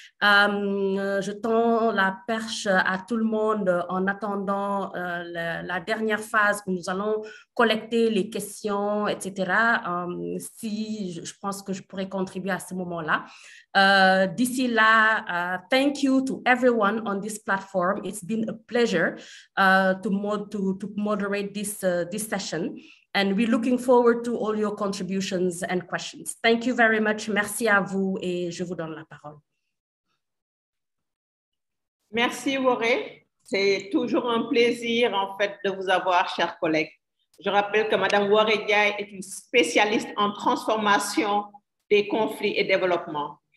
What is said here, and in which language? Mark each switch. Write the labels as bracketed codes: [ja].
[fr] Je tends la perche à tout le monde en attendant la dernière phase où nous allons collecter les questions, etc. Je pense que je pourrais contribuer à ce moment-là. D'ici là, [en] thank you to everyone on this platform. It's been a pleasure to moderate this session, and we're looking forward to all your contributions and questions. Thank you very much. [fr] Merci à vous et je vous donne la parole. Merci Woré. C'est toujours un plaisir en fait de vous avoir, chers collègues. Je rappelle que Madame Woré Diaye est une spécialiste en transformation des conflits et développement.